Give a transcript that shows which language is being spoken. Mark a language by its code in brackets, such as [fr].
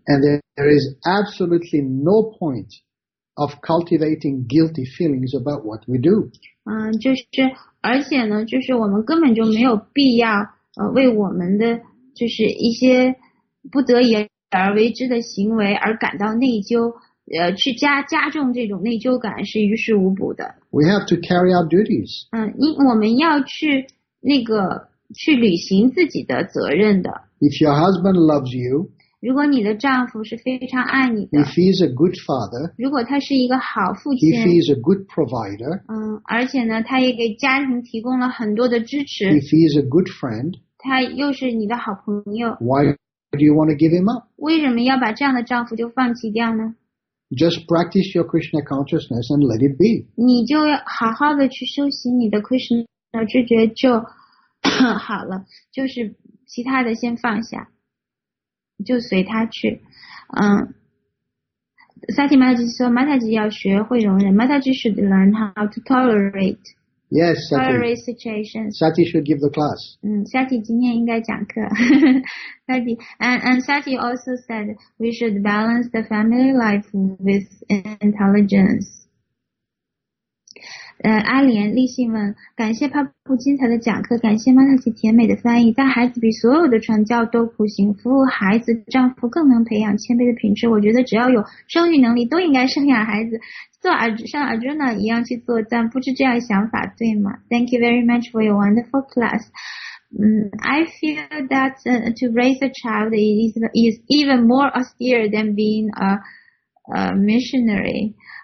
[en] And there is absolutely no point of cultivating guilty feelings about what we do. [zh] 就是而且呢，就是我们根本就没有必要为我们的就是一些不得已而为之的行为而感到内疚，去加重这种内疚感是于事无补的。 [en] We have to carry out duties. [zh] 我们要去那个去履行自己的责任的。 [en] If your husband loves you, [zh] 如果你的丈夫是非常爱你的。 [en] If he is a good father, [zh] 如果他是一个好父亲。 [en] If he is a good provider, [zh] 而且呢，他也给家庭提供了很多的支持。 [en] If he is a good friend, [zh] 他又是你的好朋友。 [en] Why? Do you want to give him up? [zh] 为什么要把这样的丈夫就放弃掉呢？ [en] Just practice your Krishna consciousness and let it be. [zh] 你就要好好的去修习你的 Krishna 知觉就好了，就是其他的先放下，就随他去。 [en] Sati Mataji [zh] 说 [en] ，Mataji [zh] 要学会容忍 [en] ，Mataji should learn how to tolerate. Yes, Sati. Tolerate situations. Sati should give the class. [zh] Sati 今天应该讲课。 [en] Sati, and Sati also said we should balance the family life with intelligence. [zh] 阿莲立信问，感谢帕布精彩的讲课，感谢玛塔吉甜美的翻译，带孩子比所有的传教都苦行，服务孩子丈夫更能培养谦卑的品质。我觉得只要有生育能力都应该生养孩子，做像 Arjuna 一样去作战，不是这样想法对吗？ [en] Thank you very much for your wonderful class. I feel that to raise a child is even more austere than being a missionary.